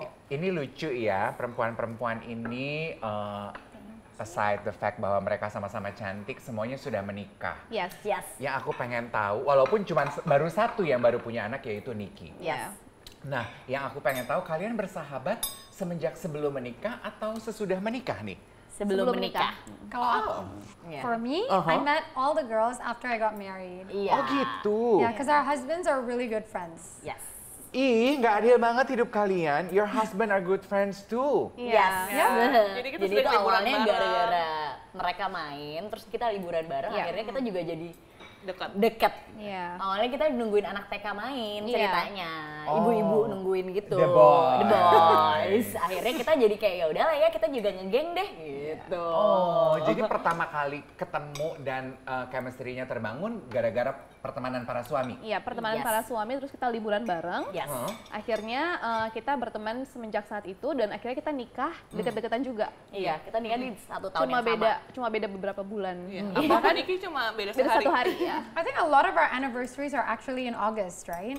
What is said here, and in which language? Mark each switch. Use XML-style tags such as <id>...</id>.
<id>Ini lucu ya, perempuan-perempuan ini</id> <en>aside the fact</en> <id>bahwa mereka sama-sama cantik, semuanya sudah menikah.</id> <en>Yes.</en> <id>Yang aku pengen tahu, walaupun cuma baru satu yang baru punya anak yaitu Nikki.</id> <en>Yes.</en> <id>Nah, yang aku pengen tahu kalian bersahabat semenjak sebelum menikah atau sesudah menikah nih? Sebelum menikah. Kalau aku,</id> <en>for me, I met all the girls after I got married. Yeah.</en> <id>Oh gitu.</id> <en>Yeah, because our husbands are really good friends. Yes.</en> <id>Ih, nggak adil banget hidup kalian.</id> <en>Your husband are good friends too.</en> <id>Yes. Jadi kita awalnya gara-gara mereka main, terus kita liburan bareng. Yeah. Akhirnya kita juga jadi deket.</id> <en>Yeah.</en> <id>Awalnya kita nungguin anak TK main, ceritanya ibu-ibu nungguin gitu.</id> <en>The boys.</en> <id>Akhirnya kita jadi kayak ya udahlah ya kita juga nge-geng deh gitu. Oh, jadi pertama kali ketemu dan chemistry-nya terbangun gara-gara pertemanan para suami. Iya, pertemanan para suami terus kita liburan bareng.</id> <en>Yes.</en> <id>Akhirnya kita berteman semenjak saat itu dan akhirnya kita nikah deket-deketan juga. Iya, kita nikah di satu tahun cuma yang beda, sama. Cuma beda beberapa bulan. Iya. Apa kan Niki cuma beda sehari. Beda satu hari.</id> <en>I think a lot of our anniversaries are actually in August, right?</en>